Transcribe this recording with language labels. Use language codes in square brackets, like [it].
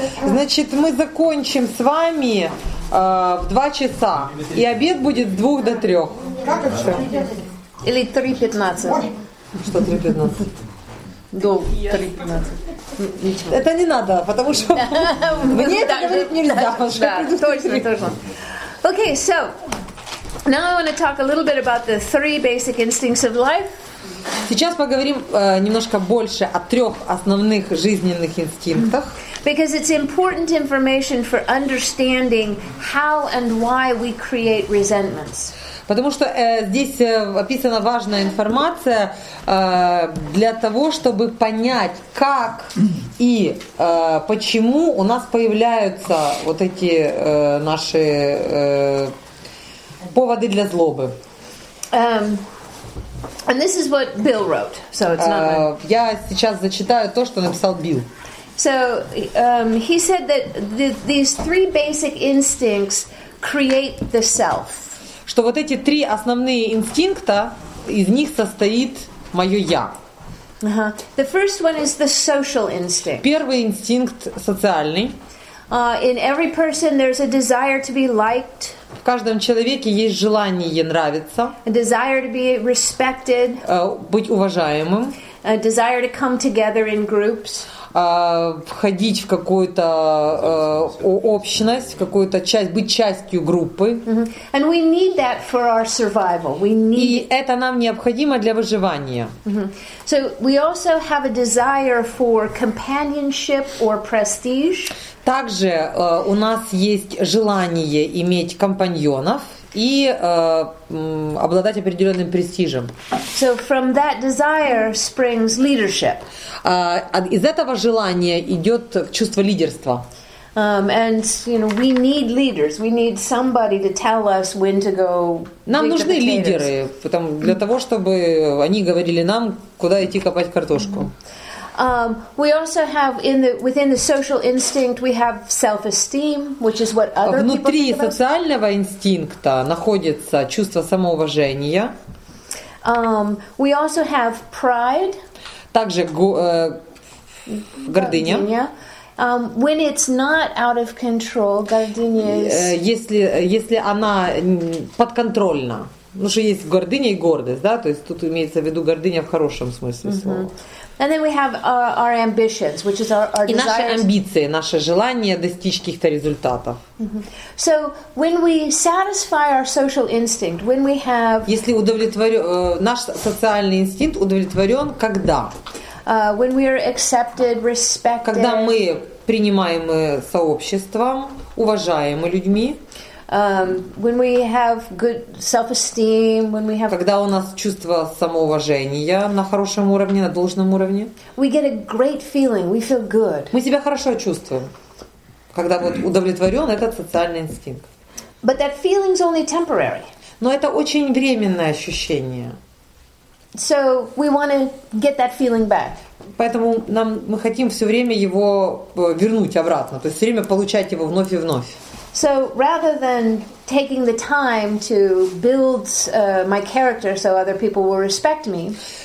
[ru] Значит, мы закончим с вами в 2 часа. И обед будет с 2 до 3. Как это все? Или 3:15. Что 3:15? До 3:15. Это не надо, потому что мне это говорить нельзя. Да, точно. [en] Okay, so now I want to talk a little bit about the three basic instincts of life. [ru] Сейчас поговорим немножко больше о трех основных жизненных инстинктах. [en] Because it's important information for understanding how and why we create resentments. [ru] Потому что здесь описана важная информация для того, чтобы понять, как и почему у нас появляются вот эти наши поводы для злобы. [en] And this is what Bill wrote, so it's not. [ru] Я сейчас зачитаю то, что написал Билл. [en] So he said that these three basic instincts create the self. [ru] Что вот эти три основные инстинкта, из них состоит мое «я». [en] Uh-huh. The first one is the social instinct. [ru] Первый инстинкт социальный. [en] In every person there's a desire to be liked. [ru] В каждом человеке есть желание нравиться. [en] A desire to be respected. [ru] Быть уважаемым. [en] desire to come together in groups. [ru] Входить в какую-то общность, в какую-то часть, быть частью группы. [en] Mm-hmm. And we need that for our survival. We need. [ru] И это нам необходимо для выживания. [en] Mm-hmm. So we also have a desire for companionship or prestige. [ru] Также у нас есть желание иметь компаньонов и обладать определенным престижем. [en] So from that desire springs leadership. [ru] Из этого желания идет чувство лидерства. [en] And you know, we need leaders. We need somebody to tell us when to go. [ru] Нам нужны лидеры, потому для того, чтобы они говорили нам, куда идти копать картошку. [en] We also have within the social instinct we have self-esteem, which is what other people think about. [ru] Внутри социального инстинкта находится чувство самоуважения. [en] We also have pride. [ru] Также гордыня. [en] When it's not out of control, гордыня is. [ru] Если она подконтрольна. Ну что есть гордыня и гордость, да? То есть тут имеется в виду гордыня в хорошем смысле слова. [en] And then we have our ambitions, which is our desires. [ru] И наши амбиции, наше желание достичь каких-то результатов. [en] Mm-hmm. So when we satisfy our social instinct, when we have. [ru] Если наш социальный инстинкт удовлетворен, когда? [en] When we are accepted, respected. [ru] Когда мы принимаемы сообществом, уважаемы людьми. [en] When we have good self-esteem, when we have. [ru] Когда у нас чувство самоуважения на хорошем уровне, на должном уровне. [en] We get a great feeling. We feel good. [ru] Мы себя хорошо чувствуем, когда вот удовлетворен этот социальный инстинкт. [en] But that feeling's only temporary. [ru] Но это очень временное ощущение. [en] So we want to get that feeling back. [ru] Поэтому мы хотим все время его вернуть обратно, то есть все время получать его вновь и вновь. [en] So rather than taking the time to build my character so other people will respect me.